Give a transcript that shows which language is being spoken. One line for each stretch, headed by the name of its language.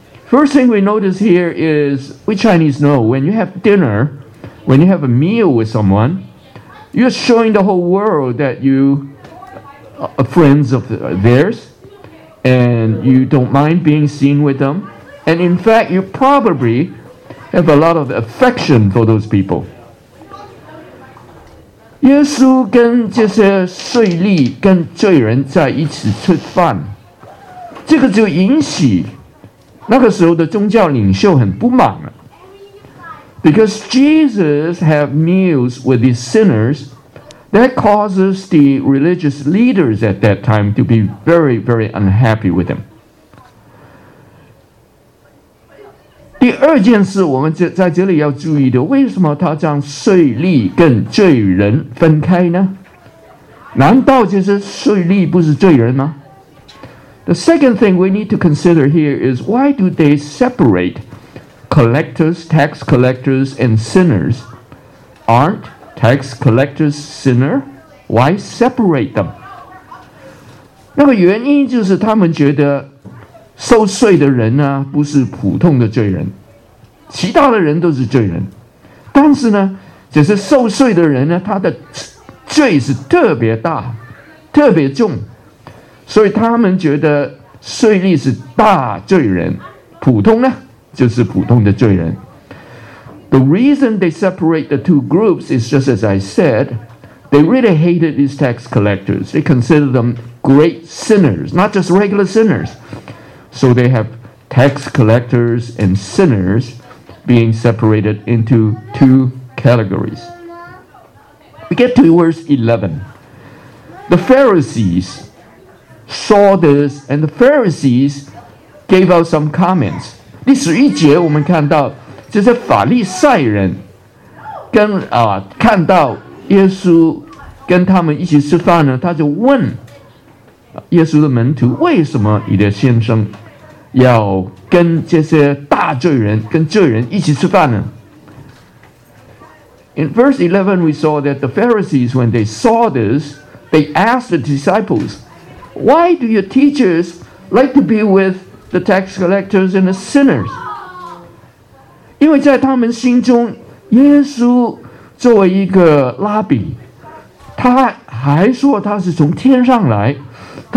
English: First thing we notice here is we Chinese know when you have dinner, when you have a meal with someone, you're showing the whole world that you are friends of theirs, and you don't mind being seen with them, and in fact you probably have a lot of affection for those people.
Chinese: 耶稣跟这些税吏跟罪人在一起吃饭，这个就引起那个时候的宗教领袖很不满了。
English: Because Jesus had meals with these sinners, that causes the religious leaders at that time to be very, very unhappy with him.
Chinese: 第二件事我们在这里要注意的，为什么他将税吏跟罪人分开呢？难道就是税吏不是罪人吗？
English: The second thing we need to consider here is why do they separate collectors, tax collectors, and sinners? Aren't tax collectors sinner? Why separate them?
Chinese: 那个原因就是他们觉得收税的人呢，不是普通的罪人，其他的人都是罪人，但是呢，只是收税的人呢，他的罪是特别大、特别重，所以他们觉得税吏是大罪人，普通呢就是普通的罪人。
English: The reason they separate the two groups is just as I said, they really hated these tax collectors. They consider them great sinners, not just regular sinners. So they have tax collectors and sinners being separated into two categories. We get to verse 11. The Pharisees saw this, and the Pharisees gave out some comments.
Chinese: 第十一节我们看到，这些法利赛人跟看到耶稣跟他们一起吃饭呢，他就问耶稣的门徒，为什么你的先生要跟这些大罪人跟罪人一起吃饭呢？
English: In verse 11, we saw that the Pharisees, when they saw this, they asked the disciples, why do your teachers like to be with the tax collectors and the sinners?
Chinese: 因为在他们心中，耶稣作为一个拉比，他还说他是从天上来，他